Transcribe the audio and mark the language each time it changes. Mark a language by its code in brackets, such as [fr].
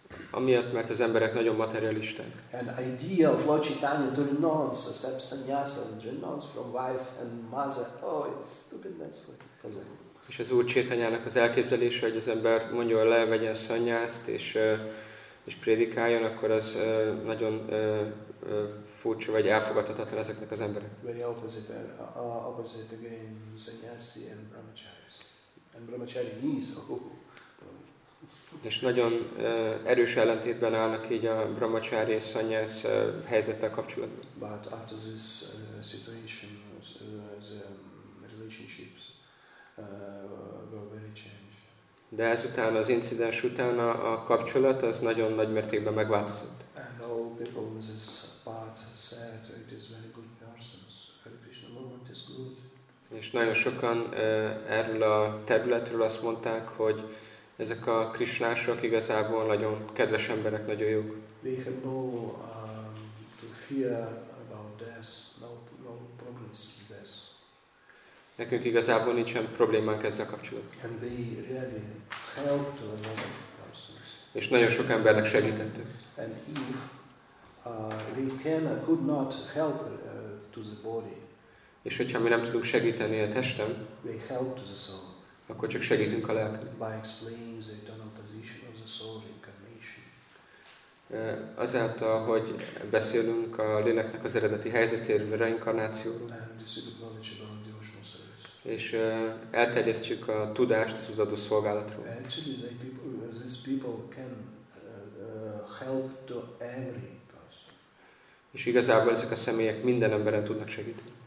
[hu] Amiatt, mert az emberek nagyon materialisták. [en] And idea of Lord Chaitanya to renounce, accept sannyasa, renounce from wife and mother, oh, it's stupidness for them. [hu] És az Úr Chaitanyának az elképzelése, hogy az ember mondjon le, vegyen sannyást, és prédikáljon, akkor az nagyon furcsa, vagy elfogadhatatlan ezeknek az emberek. [en] Very opposite again, sannyasi and brahmacharis. And brahmachari is, [hu] és nagyon erős ellentétben állnak így a brahmacari és sannyász helyzettel kapcsolatban. [en] But after this situation, the relationships were very changed. [hu] De ezután, az incidens után a kapcsolat az nagyon nagy mértékben megváltozott. [en] And all people in this part said it is very good persons. Hare Krishna movement is good. [hu] És nagyon sokan erről a területről azt mondták, hogy ezek a krisnások igazából nagyon kedves emberek, nagyon jók. [en] We have no to fear about death, no problems with death. [hu] Nekünk igazából nincsen problémánk ezzel kapcsolatban. [en] And we really help to another person. [hu] És nagyon sok embernek segítettük. [en] And if we could not help to the body. [hu] És hogyha mi nem tudunk segíteni a testem, [en] we help to the soul. [hu] Akkor csak segítünk a lelken. [en] By explaining the eternal position of the soul incarnation. [hu] Azáltal, hogy beszélünk a léleknek az eredeti helyzetéről, reinkarnációról. [en] And this is the knowledge of our devotional service. [hu] És elterjesztjük a tudást az odaadó szolgálatról. [en] Actually, these people can help to every person. [hu] És igazából ezek a személyek minden emberen tudnak segíteni.